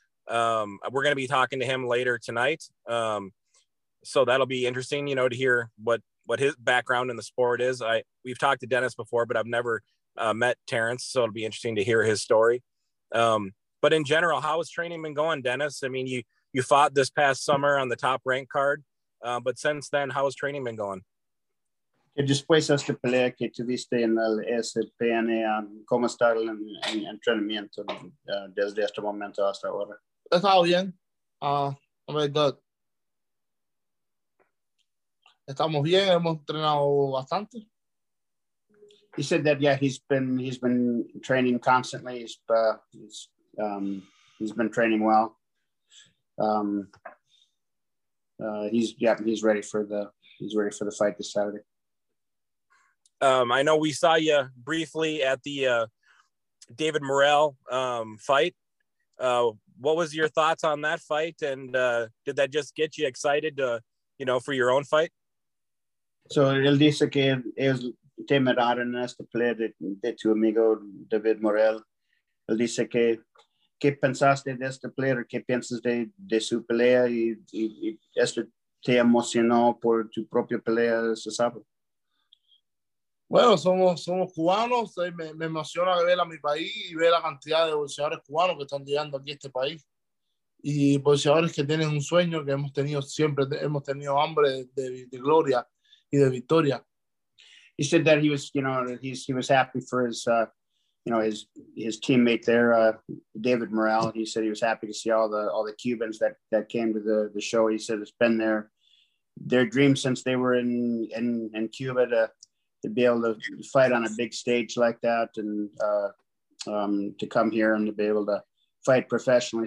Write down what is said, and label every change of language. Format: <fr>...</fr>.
<en>We're going to be talking to him later tonight. So that'll be interesting, you know, to hear what his background in the sport is. We've talked to Dennys before, but I've never met Terrence. So it'll be interesting to hear his story. But in general, how has training been going, Dennys? I mean, you fought this past summer on the top rank card, but since then, how has training been going?</en> <es>Después de esta pelea que tuviste en el SPN, ¿cómo está el entrenamiento desde este momento hasta ahora?</es> <en>It's all bien. Very good.</en> <es>Estamos bien. Hemos entrenado bastante.</es> <en>He said that, yeah, he's been training constantly. He's been training well. He's ready for the fight this Saturday. I know we saw you briefly at the David Morrell fight. What was your thoughts on that fight, and did that just get you excited to, you know, for your own fight?</en> <es>So él dice que es temerario en esta pelea de tu amigo David Morrell. Él dice que qué pensaste de esta pelea, qué piensas de su pelea, y esto te emocionó por tu propia pelea ese sábado. Bueno, somos cubanos. Me emociona ver a mi país y ver la cantidad de boxeadores cubanos que están llegando aquí a este país. Y boxeadores que tienen un sueño que hemos tenido siempre, hemos tenido hambre de gloria y de victoria.</es> <en>He said that he was, you know, he was happy for his, you know, his teammate there, David Morrell. He said he was happy to see all the Cubans that came to the show. He said it's been their dream since they were in Cuba to be able to fight on a big stage like that, and to come here and to be able to fight professionally.</en>